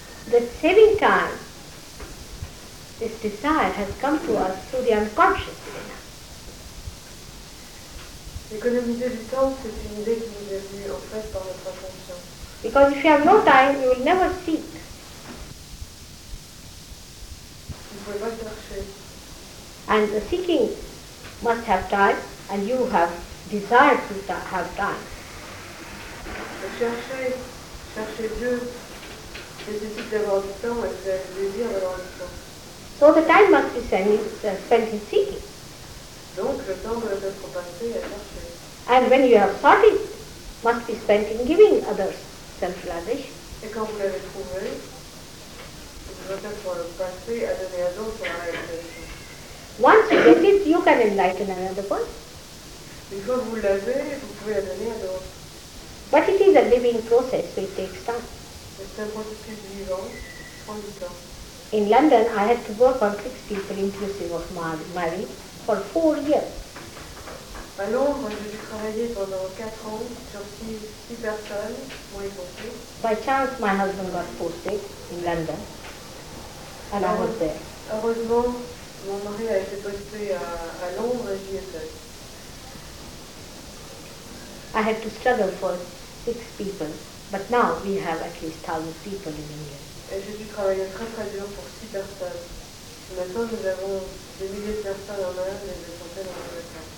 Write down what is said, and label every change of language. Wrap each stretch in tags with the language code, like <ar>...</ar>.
<en>The saving time, this desire has come to us through the unconscious.</en> <fr>Économiser du temps, c'est une idée qui nous est venue en fait par notre inconscient.</fr> <en>Because if you have no time, you will never seek.</en> <fr>Vous ne pouvez pas chercher.</fr> <en>And the seeking must have time, and you have desire to have time.</en> <fr>Chercher Dieu, nécessite d'avoir du temps et le désir d'avoir du temps.</fr> <en>So the time must be spent in seeking.</en> <fr>Donc le temps doit être passé à chercher.</fr> <en>And when you have sought it, must be spent in giving others self-realization.</en> <fr>Et quand vous l'avez trouvé, il doit être passé à donner à d'autres pour la réalisation.</fr> <en>Once you get it, you can enlighten another person.</en> <fr>Une fois que vous l'avez, vous pouvez la donner à d'autres.</fr> <en>But it is a living process, so it takes time.</en> <fr>C'est un processus vivant, ça prend du temps.</fr> <en>In London, I had to work on 6 people inclusive of Marie for 4 years.</en> <fr>À Londres, j'ai dû travailler pendant 4 ans sur 6 personnes pour y compter.</fr> <en>By chance, my husband got posted in London, and I was there.</en> <fr>Heureusement, mon mari a été posté à Londres et j'y étais.</fr> <en>I had to struggle for 6 people, but now we have at least 1,000 people in England.</en> <fr>Et j'ai dû travailler très dur pour 6 personnes. Maintenant, nous avons des milliers de personnes en Inde et des centaines en Angleterre.</fr>